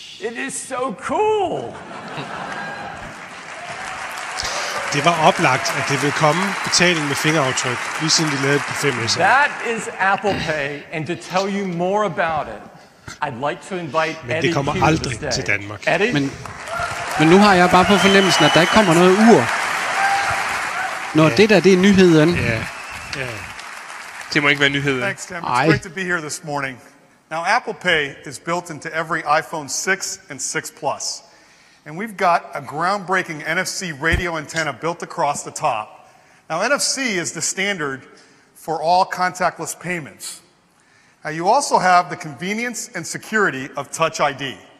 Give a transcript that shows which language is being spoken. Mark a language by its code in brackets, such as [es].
[en] It is so cool. [da] Det var oplagt, at det ville komme betaling med fingeraftryk, lige siden de lavede på 5S. [en] That is Apple Pay, and to tell you more about it, I'd like to invite [da] Eddie. Men det kommer aldrig til Danmark. [en] Eddie? [da] Men nu har jeg bare på fornemmelsen, at der ikke kommer noget ur. Når yeah. det der, det er nyheden. Ja. Yeah. Yeah. Det må ikke være nyheden. [en] Thanks, Tim. Ej. It's great to be here this morning. Now, Apple Pay is built into every iPhone 6 and 6 Plus. And we've got a groundbreaking NFC radio antenna built across the top. Now, NFC is the standard for all contactless payments. Now, you also have the convenience and security of Touch ID.